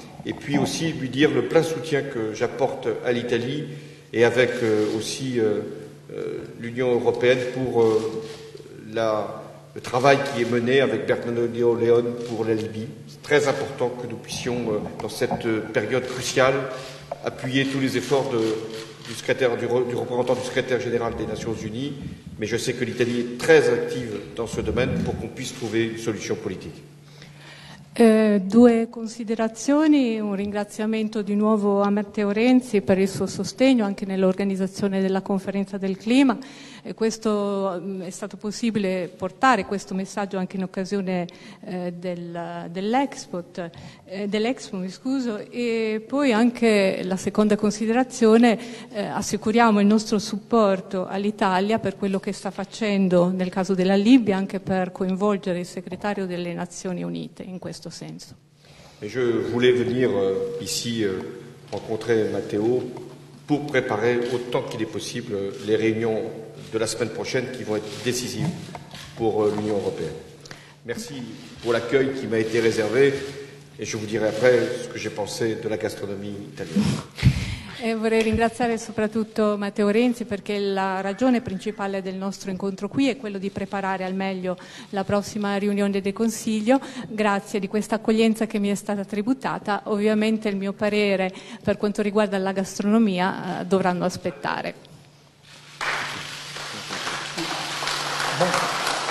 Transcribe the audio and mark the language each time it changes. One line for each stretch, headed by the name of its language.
French: Et puis aussi lui dire le plein soutien que j'apporte à l'Italie et avec aussi l'Union européenne pour le travail qui est mené avec Bernardino León pour la Libye. C'est très important que nous puissions, dans cette période cruciale, appuyer tous les efforts du représentant du secrétaire général des Nations Unies. Mais je sais que l'Italie est très active dans ce domaine pour qu'on puisse trouver une solution politique.
Italian: Due considerazioni, un ringraziamento di nuovo a Matteo Renzi per il suo sostegno anche nell'organizzazione della conferenza del clima, e questo è stato possibile portare questo messaggio anche in occasione dell'Expo, e poi anche la seconda considerazione, assicuriamo il nostro supporto all'Italia per quello che sta facendo nel caso della Libia, anche per coinvolgere il segretario delle Nazioni Unite in questo senso.
French: Et je voulais venir ici rencontrer Matteo pour préparer autant qu'il est possible les réunions de la semaine prochaine qui vont être décisives pour l'Union européenne. Merci pour l'accueil qui m'a été réservé et je vous dirai après ce que j'ai pensé de la gastronomie italienne.
Italian: E vorrei ringraziare soprattutto Matteo Renzi perché la ragione principale del nostro incontro qui è quello di preparare al meglio la prossima riunione del Consiglio. Grazie di questa accoglienza che mi è stata tributata. Ovviamente il mio parere per quanto riguarda la gastronomia dovranno aspettare.